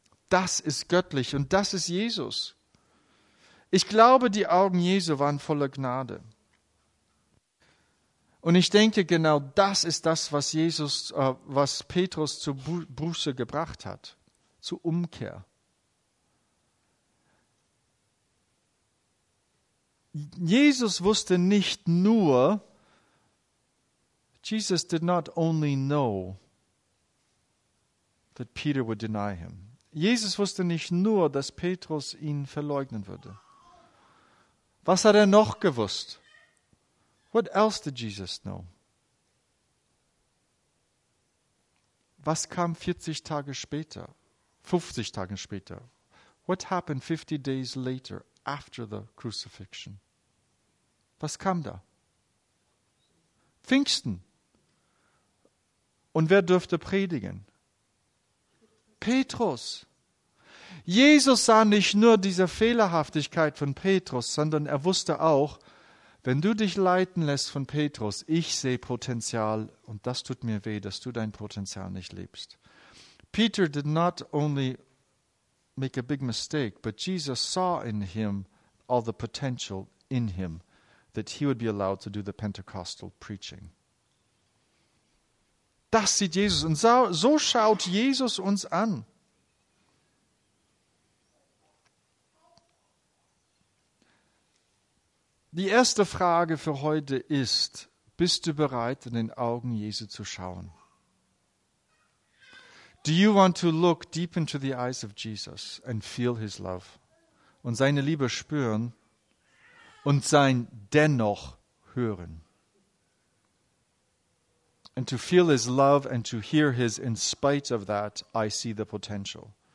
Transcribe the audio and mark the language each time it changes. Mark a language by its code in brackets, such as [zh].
[de] Das ist göttlich und das ist Jesus. Ich glaube, die Augen Jesu waren voller Gnade. Und ich denke, genau das ist das, was Jesus, was Petrus zur Buße gebracht hat, zur Umkehr. Jesus wusste nicht nur, [en] Jesus did not only know that Peter would deny him. [de] Jesus wusste nicht nur, dass Petrus ihn verleugnen würde. Was hat er noch gewusst? [en] What else did Jesus know? [de] Was kam 40 Tage später? 50 Tage später? [en] What happened 50 days later, after the crucifixion? [de] Was kam da? Pfingsten. Und wer dürfte predigen? Petrus. Jesus sah nicht nur diese Fehlerhaftigkeit von Petrus, sondern er wusste auch, wenn du dich leiten lässt von Petrus, ich sehe Potenzial und das tut mir weh, dass du dein Potenzial nicht lebst. [en] Peter did not only make a big mistake, but Jesus saw in him all the potential in him that he would be allowed to do the Pentecostal preaching. [de] Das sieht Jesus und so schaut Jesus uns an. Die erste Frage für heute ist, bist du bereit, in den Augen Jesu zu schauen? [en] Do you want to look deep into the eyes of Jesus and feel his love? [de] Und seine Liebe spüren und sein Dennoch hören? [en] And to feel his love and to hear his, in spite of that, I see the potential.